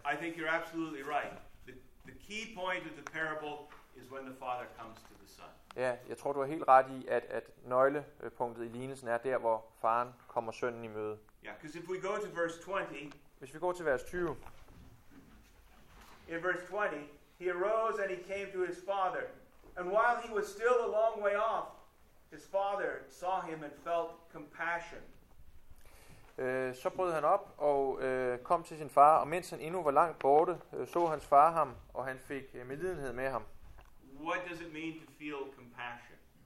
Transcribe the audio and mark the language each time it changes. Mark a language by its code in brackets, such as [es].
[en] I think you're absolutely right. The key point of the parable is when the father comes to the son. [da] Ja, jeg tror du er helt ret i at nøglepunktet i lignelsen er der hvor faren kommer sønnen i møde. [en] Yeah, because if we go to verse 20. [da] Hvis vi går til vers 20. [en] In verse 20, he arose and he came to his father. And while he was still a long way off, his father saw him and felt compassion. [da] Så brød han op og kom til sin far, og mens han endnu var langt borte, så hans far ham, og han fik medlidenhed med ham. [en] What does it mean to feel compassion?